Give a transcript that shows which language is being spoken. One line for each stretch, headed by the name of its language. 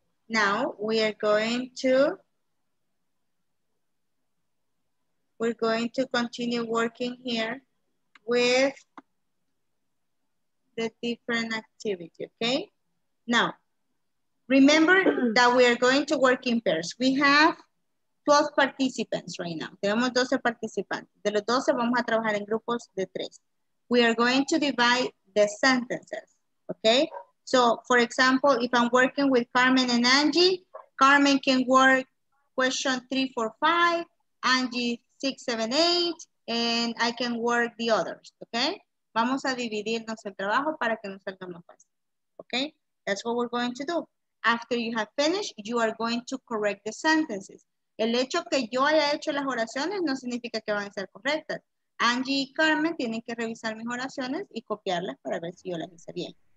English: Now we are going to continue working here with the different activity, okay? Now, remember that we are going to work in pairs. We have 12 participants right now.
Spanish: Tenemos 12 participantes. De los 12 vamos a trabajar en grupos de 3.
English: We are going to divide the sentences, okay? So, for example, if I'm working with Carmen and Angie, Carmen can work question 3, 4, 5, Angie 6, 7, 8, and I can work the others, okay?
Spanish: Vamos a dividirnos el trabajo para que nos salga más fácil, okay?
English: That's what we're going to do. After you have finished, you are going to correct the sentences.
Spanish: El hecho que yo haya hecho las oraciones no significa que van a ser correctas. Angie y Carmen tienen que revisar mis oraciones y copiarlas para ver si yo las hice bien.